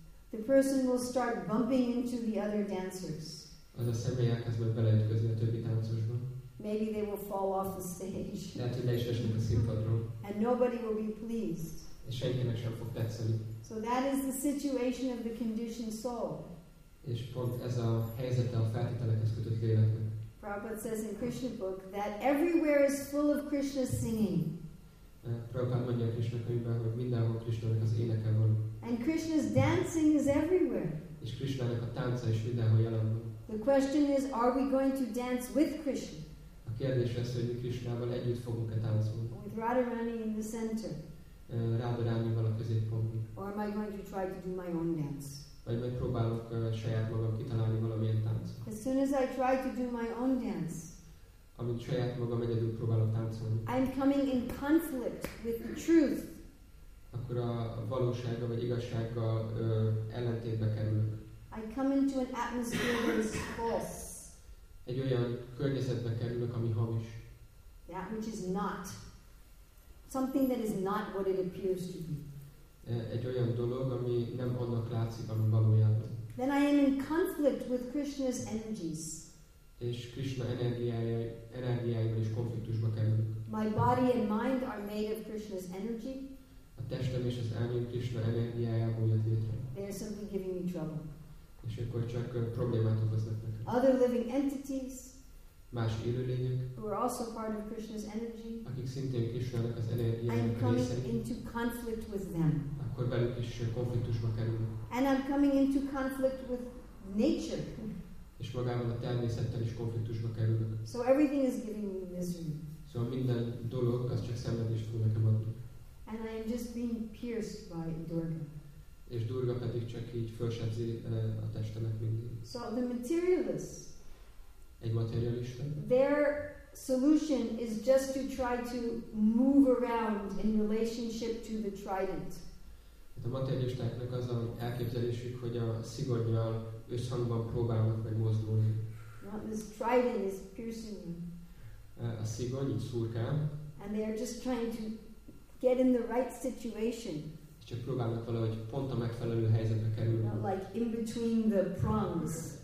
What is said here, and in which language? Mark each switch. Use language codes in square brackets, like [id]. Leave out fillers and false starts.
[en] The person will start bumping into the other dancers. [hu] Az a személy elkezd majd beleütközni a többi táncosba. [en] Maybe they will fall off the stage. [hu] Lehet, hogy le is esnek a színpadról. [en] And nobody will be pleased. [hu] És senkinek sem fog tetszeni. [en] So that is the situation of the conditioned soul. [hu] És pont ez a helyzete a feltételekhez kötött léleknek. [en] Prabhupada says in Krishna book that everywhere is full of Krishna singing. [hu] Prabhupada mondja a Krishna könyvben, hogy mindenhol Krishna-nak az éneke van. [en] And Krishna's dancing is everywhere. [hu] És Krishna-nak a tánca is mindenhol jelen van. [en] The question is, are we going to dance with Krishna? [hu] A kérdés az, hogy Krishna-val együtt fogunk-e táncolni. [en] With Radharani in the center. [hu] Radharani-val a középpontban. [en] Or am I going to try to do my own dance? [hu] Vagy megpróbálok saját magam kitalálni valamilyen táncot. [en] As soon as I try to do my own dance, [hu] amint saját magam egyedül próbálok táncolni, [en] I'm coming in conflict with the truth. [hu] Akkor a valósággal vagy igazsággal ellentétbe kerülök. [en] I come into an atmosphere that is false. [hu] Egy olyan környezetbe kerülök, ami hamis. [en] That which is not. Something that is not what it appears to be. [hu] Egy olyan dolog, ami nem annak látszik, ami valójában. [en] Then I am in conflict with Krishna's energies. [hu] és Krishna energiáival is konfliktusba kerülünk. [en] My body and mind are made of Krishna's energy. [hu] A testem és az elmém Krishna energiájából jött létre. [en] They are simply giving me trouble. [hu] És akkor csak problémát okoznak nekem. [en] Other living entities, [hu] más élőlények, [en] who are also part of Krishna's energy, [hu] akik szintén Krishna-nak az energiájának [en] részei, I'm coming into conflict with them. [hu] Akkor belük is konfliktusba kerülünk. [en] And I'm coming into conflict with nature. [hu] És magával a természettel is konfliktusba kerülök. [en] So everything is giving me misery. [hu] Szóval minden dolog, az csak szenvedést fog nekem adni. [en] And I am just being pierced by Durga. [hu] És Durga pedig csak így felsebzi a testemet mindig. [en] So the materialists. [hu] Egy materialista. [en] Their solution is just to try to move around in relationship to the trident. [hu] Hát a materialistáknak az a elképzelésük, hogy a szigorral összhangban próbálnak meg mozdulni. [en] Not this trident is piercing them. [hu] A szigony, így szurkál. [en] And they are just trying to get in the right situation. [hu] Csak próbálnak valahogy pont a megfelelő helyzetbe kerülni. [en] Not like in between the prongs.